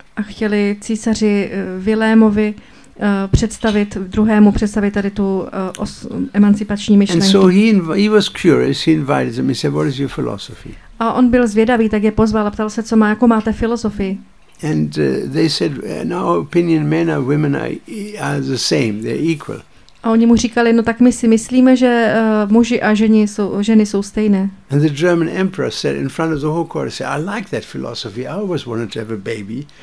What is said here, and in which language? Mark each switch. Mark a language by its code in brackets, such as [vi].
[cs] A chtěli císaři Vilémovi představit druhému tady tu emancipační myšlenku. [en] And so he was curious, he invited them, he said, what is your philosophy? [cs] A on byl zvědavý, tak je pozval a ptal se, co má, jakou máte filozofii. [en] And they said, in our opinion, men and women are the same, they're equal. [cs] A oni mu říkali, no tak my si myslíme, že muži a ženy jsou stejné. [en] And the German emperor said in front of the whole court, said, I like that philosophy, I always wanted to have a baby.